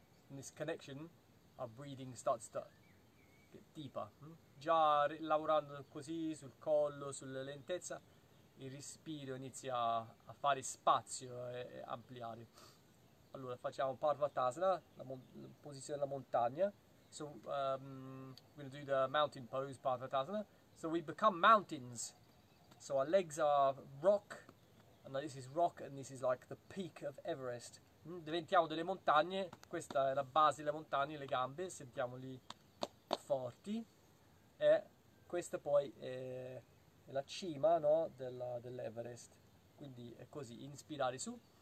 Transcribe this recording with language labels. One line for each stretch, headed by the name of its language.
English: In this connection, our breathing starts to get deeper.
Italian: Già lavorando così sul collo, sulla lentezza, il respiro inizia a fare spazio e ampliare. Allora facciamo Parvatasana, la posizione della montagna. So
English: So we're gonna do the mountain pose part of the Tatana. So we become mountains. So our legs are rock, and this is rock, and this is like the peak of Everest.
Italian: Diventiamo delle montagne. Questa è la base delle montagne, le gambe, sentiamoli forti. E questa poi è la cima, no, dell'Everest. Quindi è così, inspirare su.